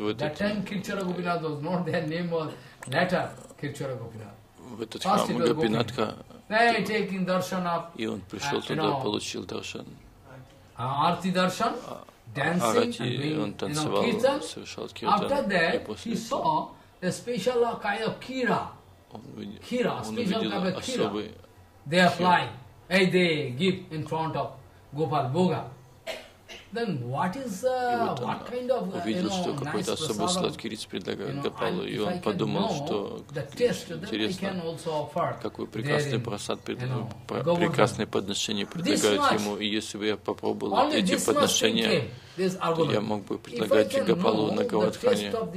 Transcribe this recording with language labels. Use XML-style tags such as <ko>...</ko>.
<en>At that time, Kirchara Gopinath was not their name, was later Kirchara Gopinath. First it was Gopinath. Then taking darshan up.</en> <ru>И он пришел туда, получил даршан.</ru> <en>Арти даршан, dancing and doing, you know, kirtan.</en> <ru>Совершал киртан.</ru> <en>After that, he saw a special kind of kira. Kira, special kind of kira. They are flying. Hey, they give in front of Gopal Boga. Then what is вот what kind of</en> <ru>увидел,</ru> <en>you know,</en> <ru>какой-то</ru> <en>nice</en> <ru>особый сладкий рис предлагает Гопалу, и он подумал, что интересно, какой прекрасный просад прекрасные подношения предлагают ему, и если бы я попробовал эти подношения, то я мог бы предлагать Гопалу на Говардхане.</ru>